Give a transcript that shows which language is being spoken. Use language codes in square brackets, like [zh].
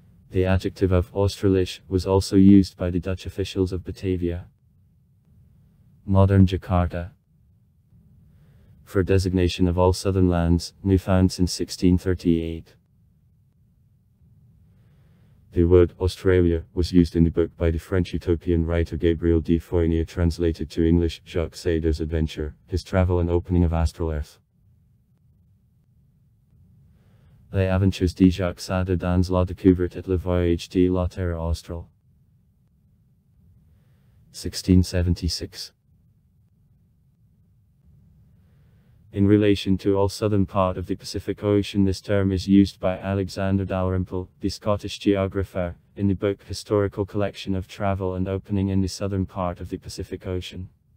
[en] The adjective of Australisch was also used by the Dutch officials of Batavia, modern Jakarta, for designation of all southern lands, new found since 1638. The word Australia was used in the book by the French utopian writer Gabriel de Foynier, translated to English, Jacques Sader's Adventure, His Travel and Opening of Astral Earth. [fr] Les Aventures de Jacques Sader dans la Découverte et le Voyage de la Terre Australe, 1676. [en] In relation to all southern part of the Pacific Ocean, this term is used by Alexander Dalrymple, the Scottish geographer, in the book Historical Collection of Travel and Opening in the Southern Part of the Pacific Ocean.